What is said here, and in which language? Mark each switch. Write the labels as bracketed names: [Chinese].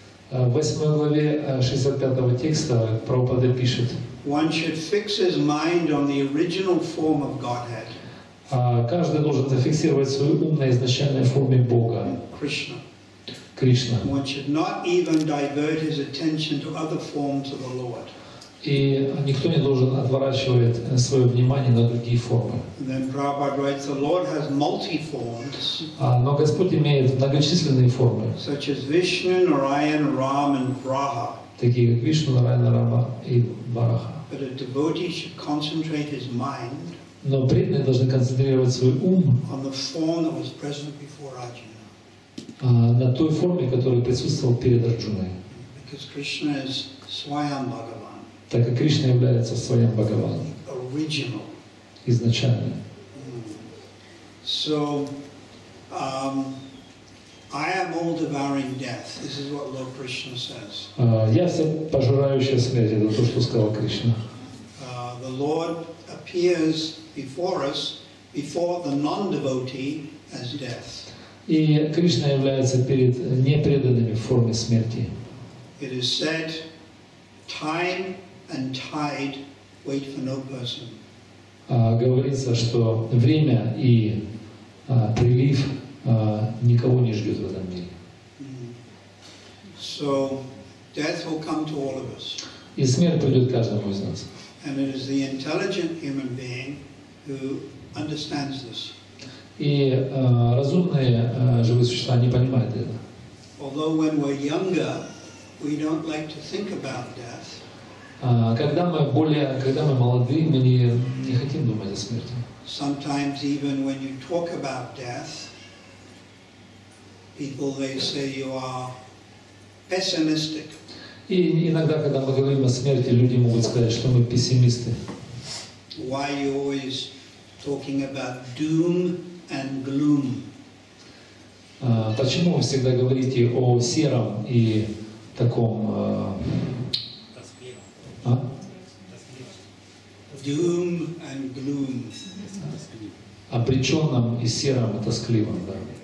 [Russian] В 8 главе 65 текста Прабхупада пишет. [English] One should fix his mind on the original form of Godhead. [Russian] Каждый должен зафиксировать свой ум на изначальной форме Бога. [English] Krishna. [Russian] Кришна. [English] One should not even divert his attention to other forms of the Lord. [Russian] И никто не должен отворачивать свое внимание на другие формы. [English] Then Prabhupada writes, the Lord has multi forms. [Russian] Но Господь имеет многочисленные формы. [English] Such as Vishnu, Narayan, Ram and Varaha. [Russian] Такие как Вишну, Нараяна, Рама и Вараха. [English] But a devotee should concentrate his mind. [Russian] Но преданные должны концентрировать свой ум. [English] On the form that was present before Arjuna. [Russian] На той форме, которая присутствовала перед Арджуной. [English] Because Krishna is Swayam Bhagavan. [Russian] Так как Кришна является своим Бхагаваном, изначально. [English] So, I am all devouring death. This is what Lord Krishna says. [Russian] Я все пожирающая смерть. Это то, что сказал Кришна. [English] The Lord appears before us, before the non-devotee, as death. [Russian] И Кришна является перед непреданными в форме смерти. [English] It is said, time and tide wait for no person. [Russian] Говорится, что время и прилив никого не ждет в этом мире. [English] So death will come to all of us. [Russian] И смерть придет каждому из нас. [English] And it is the intelligent human being who understands this. [Russian] И разумные живые существа не понимают это. [English] Although when we're younger, we don't like to think about death. [Russian] Когда мы молоды, мы не хотим думать о смерти. [English] Sometimes even when you talk about death, people they say you are pessimistic. [Russian] И иногда, когда мы говорим о смерти, люди могут сказать, что мы пессимисты. [English] Why are you always talking about doom and gloom? [Russian] Почему вы всегда говорите о сером и таком? [English] Doom and gloom. [Russian] Обреченным и серым, тоскливым, да.